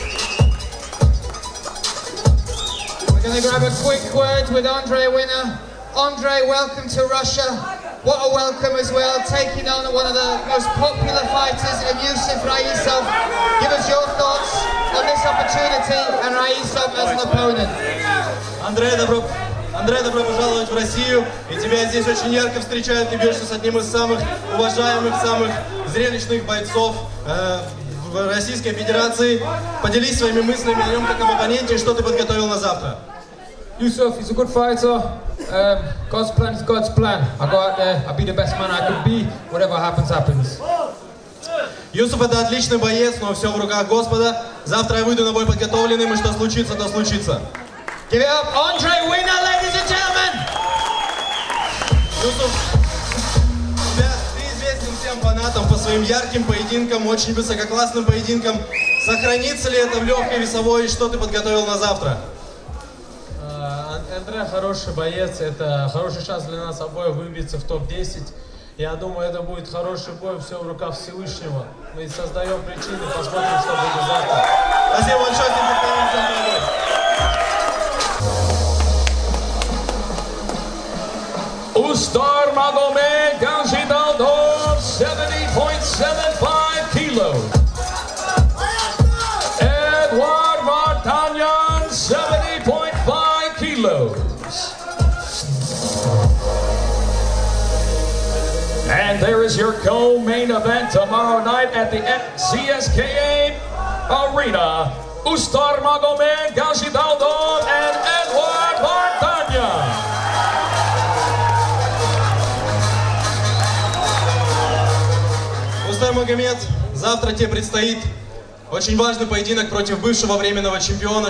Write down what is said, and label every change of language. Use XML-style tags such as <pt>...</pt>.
<en>We're going to grab a quick word with Andre Winner. Andre, welcome to Russia. What a welcome as well, taking on one of the most popular fighters in Yusuf Raisov. Give us your thoughts on this opportunity and Raisov as an opponent.</en> <ru>Андрей, добро пожаловать в Россию. И тебя здесь очень ярко встречают. Ты бьешься с одним из самых уважаемых, самых зрелищных бойцов в Российской Федерации. Поделись своими мыслями о нем как об оппоненте, что ты подготовил на завтра.</ru> <en>Yusuf, he's a good fighter. God's plan is God's plan. I go out there, I be the best man I could be. Whatever happens, happens.</en> <ru>Yusuf, это отличный боец, но все в руках Господа. Завтра я выйду на бой подготовленным, и что случится, то случится.</ru> <en>Give it up, Andre Winner, ladies and gentlemen.</en> <ru>Yusuf, тебя, ты известен всем фанатам по своим ярким поединкам, очень высококлассным поединкам. Сохранится ли это в легкой весовой, и что ты подготовил на завтра? Андре хороший боец, это хороший шанс для нас обоих выбиться в топ-10. Я думаю, это будет хороший бой, все в руках Всевышнего. Мы создаем причины, посмотрим, что будет завтра. Спасибо большое, Устар Магомед Ганжидалдов, 70.75 кило. Эдуард Вартаньян, 70.5 кило.</ru> <en>And there is your co-main event tomorrow night at the ЦСКА Arena. Устар Магомед Ганжидалдов and Эдуард Вартаньян.</en> <ru>Устар Магомед, завтра тебе предстоит очень важный поединок против бывшего временного чемпиона.</ru>